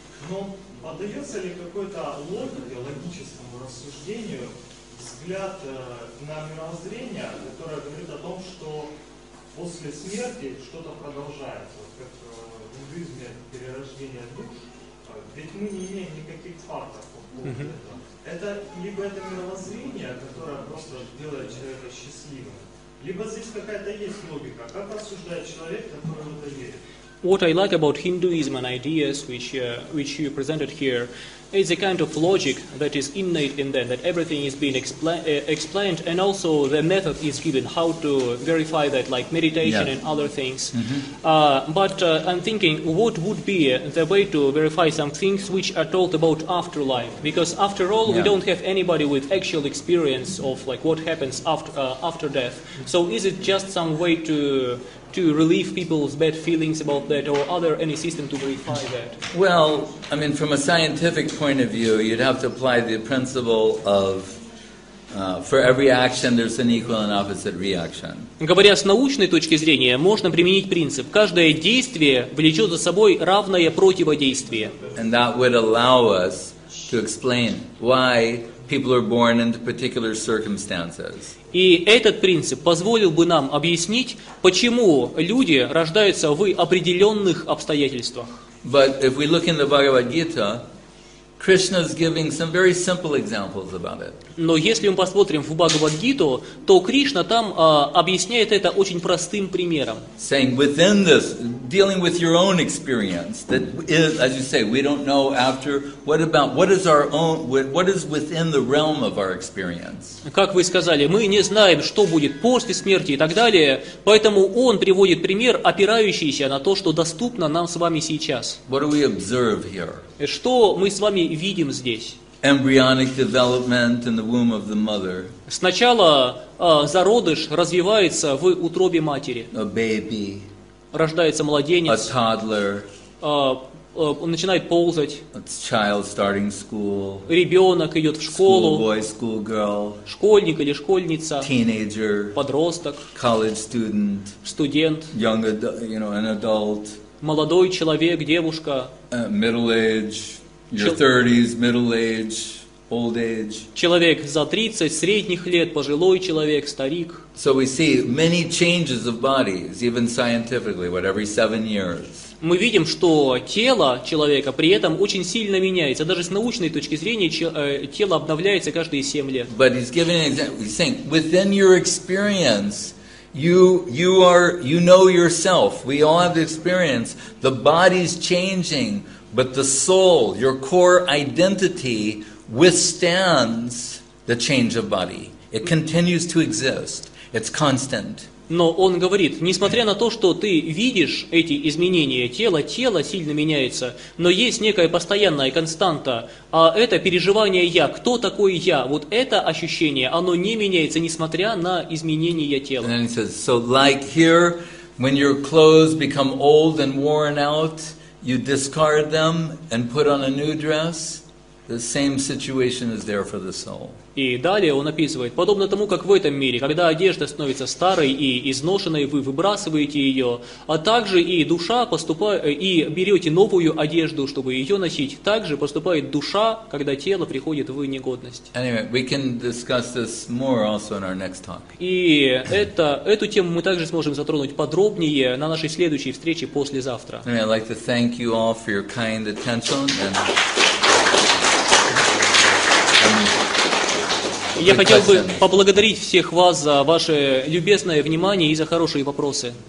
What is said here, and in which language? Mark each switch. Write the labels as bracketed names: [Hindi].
[Russian] Но поддается ли какой-то логике, логическому рассуждению взгляд на мировоззрение, которое говорит о том, что после смерти что-то продолжается, вот как в индуизме перерождение душ, ведь мы не имеем никаких фактов по поводу этого. Это либо это мировоззрение, которое просто делает человека счастливым, либо здесь какая-то есть логика, как рассуждает человек, который в это верит. [English] What I like about Hinduism and ideas which you presented here is a kind of logic that is innate in them, that everything is being explained, and also the method is given how to verify that, like meditation and other things. I'm thinking, what would be the way to verify some things which are told about afterlife? Because after all, we don't have anybody with actual experience of like what happens after death. So is it just some way to relieve people's bad feelings about that, or other any system to verify that? Well, I mean, from a scientific point of view, you'd have to apply the principle of for every action, there's an equal and opposite reaction. [Russian] Говоря с научной точки зрения, можно применить принцип: каждое действие влечет за собой равное противодействие. [English] And that would allow us to explain why people are born into particular circumstances. [Russian] И этот принцип позволил бы нам объяснить, почему люди рождаются в определенных обстоятельствах. [English] But if we look in the Bhagavad Gita, Krishna is giving some very simple examples about it. [Russian] Но если мы посмотрим в Бхагавад-гиту, то Кришна там объясняет это очень простым примером. [English] Saying within this, dealing with your own experience, that is, as you say, we don't know after. What is within the realm of our experience? [Russian] Как вы сказали, мы не знаем, что будет после смерти и так далее, поэтому он приводит пример, опирающийся на то, что доступно нам с вами сейчас. [English] What do we observe here? [Russian] Что мы с вами видим здесь? [English] Embryonic development in the womb of the mother. [Russian] Сначала зародыш развивается в утробе матери. [English] A baby. [Russian] Рождается младенец. [English] A toddler. [Russian] Начинает ползать. [English] A child starting school. [Russian] Ребенок идет в школу. [English] Schoolboy, schoolgirl. [Russian] Школьник или школьница. [English] Teenager. [Russian] Подросток. [English] College student. [Russian] Студент. [English] Young adult, you know, an adult. [Russian] Молодой человек, девушка. [English] Middle age. Your 30s, middle age, old age. [Russian] Человек за 30, средних лет, пожилой человек, старик. [English] So we see many changes of bodies, even scientifically, what, every 7 years. [Russian] Мы видим, что тело человека при этом очень сильно меняется. Даже с научной точки зрения тело обновляется каждые 7 лет. [English] But he's giving an example. He's saying, within your experience, You know yourself. We all have the experience. The body's changing, but the soul, your core identity, withstands the change of body. It continues to exist. It's constant. [Russian] Но он говорит, несмотря на то, что ты видишь эти изменения тела, тело сильно меняется, но есть некая постоянная константа, а это переживание «я», кто такой «я», вот это ощущение, оно не меняется, несмотря на изменения тела. [English] And then he says, so like here, when your clothes become old and worn out, you discard them and put on a new dress, the same situation is there for the soul. [Russian] И далее он описывает, подобно тому, как в этом мире, когда одежда становится старой и изношенной, вы выбрасываете ее, а также и душа поступает, и берете новую одежду, чтобы ее носить, также поступает душа, когда тело приходит в негодность. [English] Anyway, we can discuss this more also in our next talk. [Russian] И эту тему мы также сможем затронуть подробнее на нашей следующей встрече послезавтра. [English] Anyway, I'd like to thank you all for your kind attention and... [Russian] Я хотел бы поблагодарить всех вас за ваше любезное внимание и за хорошие вопросы.